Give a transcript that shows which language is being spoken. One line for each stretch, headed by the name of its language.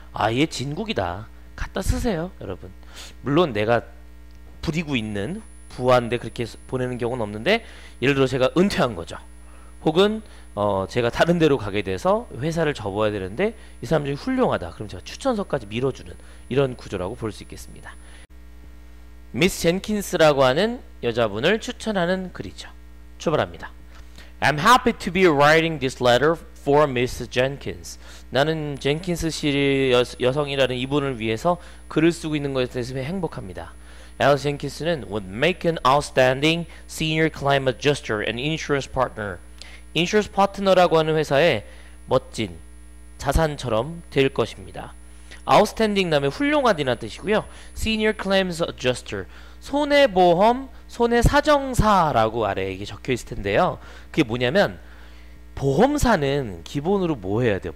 Korean: 아, 얘 진국이다. 갖다 쓰세요, 여러분. 물론 내가 부리고 있는 부하인데 그렇게 보내는 경우는 없는데, 예를 들어 제가 은퇴한 거죠. 혹은 제가 다른 데로 가게 돼서 회사를 접어야 되는데 이 사람 중에 훌륭하다. 그럼 제가 추천서까지 밀어주는 이런 구조라고 볼수 있겠습니다. 미스 젠킨스라고 하는 여자분을 추천하는 글이죠. 출발합니다.
English: I'm happy to be writing this letter for Miss Jenkins.
Korean: 나는 젠킨스 씨 여성이라는 이분을 위해서 글을 쓰고 있는 것에 대해서 행복합니다.
English: 앨런 젠킨스는 would make an outstanding senior climate adjuster and insurance partner.
Korean: Insurance partner라고 하는 회사의 멋진 자산처럼 될 것입니다. Outstanding 다음에 훌륭하다는 뜻이고요. Senior Claims Adjuster, 손해보험 손해사정사라고 아래에 이게 적혀 있을 텐데요. 그게 뭐냐면 보험사는 기본으로 뭐 해야 돼요?